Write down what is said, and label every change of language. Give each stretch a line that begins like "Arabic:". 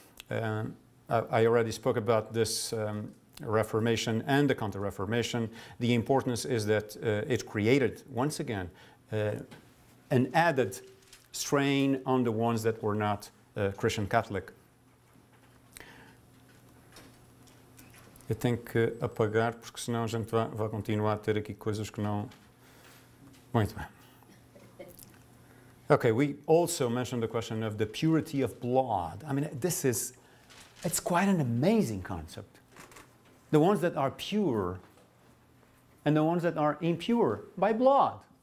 English: I already spoke about this Reformation and the Counter-Reformation. The importance is that it created, once again, an added strain on the ones that were not Christian Catholic.
Portuguese: Eu tenho que apagar, porque senão a gente vai continuar a ter aqui coisas que não... Muito bem.
English: Okay, we also mentioned the question of the purity of blood. I mean, this is, it's quite an amazing concept. The ones that are pure and the ones that are impure by blood.